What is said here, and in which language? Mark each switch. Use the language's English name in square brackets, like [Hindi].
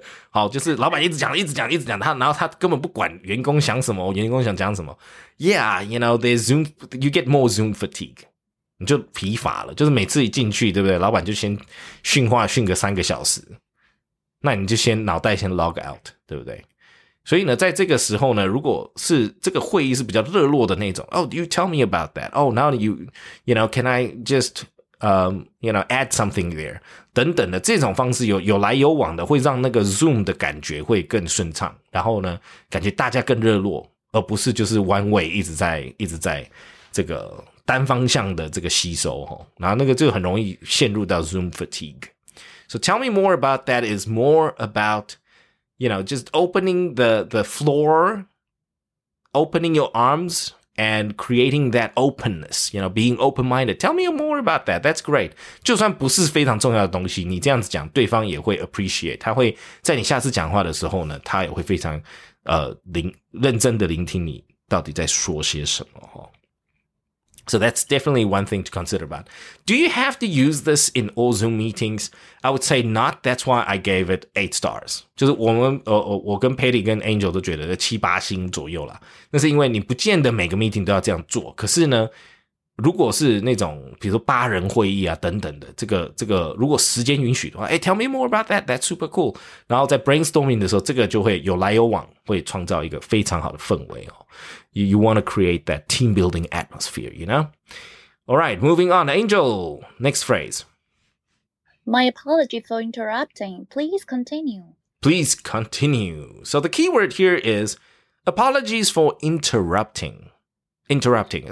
[Chinese] 好，就是老板一直讲一直讲一直讲，然后他根本不管员工想什么，员工想讲什么。 [English] Yeah, you know, there's Zoom, you get more Zoom fatigue. [Chinese] 你就疲乏了，就是每次一进去，对不对？老板就先训话训个三个小时，那你就先脑袋先 log out, 对不对？所以呢，在这个时候呢，如果是这个会议是比较热络的那种 ， [English] Oh, you tell me about that. Oh, now you, you know, can I just, you know, add something there? [Chinese] 等等的这种方式有来有往的，会让那个 Zoom 的感觉会更顺畅。然后呢，感觉大家更热络，而不是就是 one way 一直在这个单方向的这个吸收哈。然后那个就很容易陷入到 Zoom fatigue. [English] So tell me more about that. Is more about,you know, just opening the floor, opening your arms and creating that openness, you know, being open-minded. Tell me more about that. That's great. [Chinese] 就算不是非常重要的东西，你这样子讲，对方也会 appreciate. 他会在你下次讲话的时候呢，他也会非常认真的聆听你到底在说些什么。 [English] So that's definitely one thing to consider about. Do you have to use this in all Zoom meetings? I would say not. That's why I gave it 8 stars. [Chinese] 就是我跟 Patty 跟 Angel 都觉得七八星左右啦。那是因为你不见得每个 meeting 都要这样做。可是呢，如果是那种比如说八人会议啊等等的，这个如果时间允许的话， [English] tell me more about that. That's super cool. [Chinese] 然后在 brainstorming 的时候，这个就会有来有往，会创造一个非常好的氛围哦。 [English] You want to create that team building atmosphere, you know? All right, moving on. Angel, next phrase. My apology for interrupting. Please continue. Please continue. So the key word here is apologies for interrupting. Interrupting.